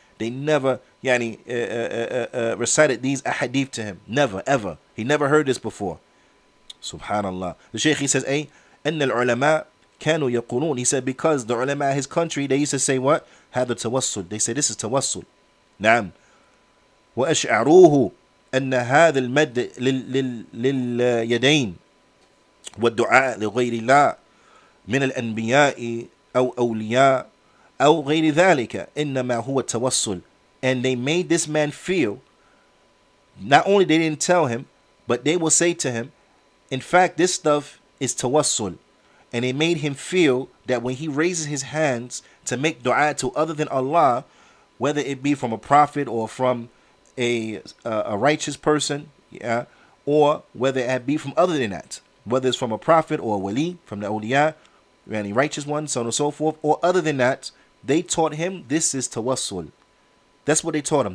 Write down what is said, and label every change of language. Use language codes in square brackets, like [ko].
[en] They never recited these ahadith to him. Never, ever. He never heard this before. Subhanallah. The sheikh, he says, "Ay, [ar] أَنَّ الْعُلَمَاء كَانُوا يَقُولُونَ." [en] He said, because the ulama of his country, they used to say what? [ar] هَذَا التَّوَسُّل. [en] They say, this is tawassul. Naam. [ar] وَأَشْعَرُوهُ أن هذا المد لليدين والدعاء لغير الله من الأنبياء أو أولياء أو غير ذلك إنما هو التوصل. [en] And they made this man feel, not only they didn't tell him, but they will say to him, in fact, this stuff is tawassul. And it made him feel that when he raises his hands to make dua to other than Allah, whether it be from a prophet or from a righteous person, yeah, or whether it be from other than that, whether it's from a prophet or a wali, from the awliya, any righteous one, so on and so forth, or other than that, they taught him this is tawassul. That's what they taught him.